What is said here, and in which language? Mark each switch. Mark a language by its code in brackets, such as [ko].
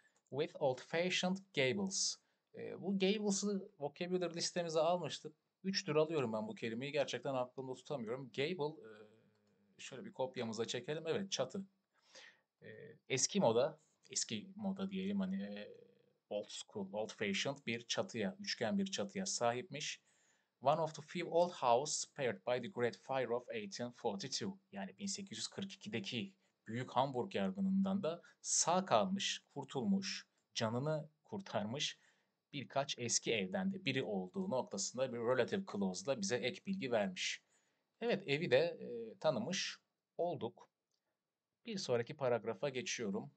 [en] With old fashioned gables. [tr] Bu gables'ı vocabulary listemize almıştık. 3 tur alıyorum ben bu kelimeyi. Gerçekten aklımda tutamıyorum. Gable, şöyle bir kopyamıza çekelim. Evet, çatı. Eski moda, eski moda diyelim, hani old school, old fashioned bir çatıya, üçgen bir çatıya sahipmiş. [en] One of the few old house spared by the Great Fire of 1842. [tr] Yani 1842'deki Büyük Hamburg yangınından da sağ kalmış, kurtulmuş, canını kurtarmış birkaç eski evden de biri olduğu noktasında bir relative clause'la bize ek bilgi vermiş. Evet, evi de tanımış olduk. Bir sonraki paragrafa geçiyorum.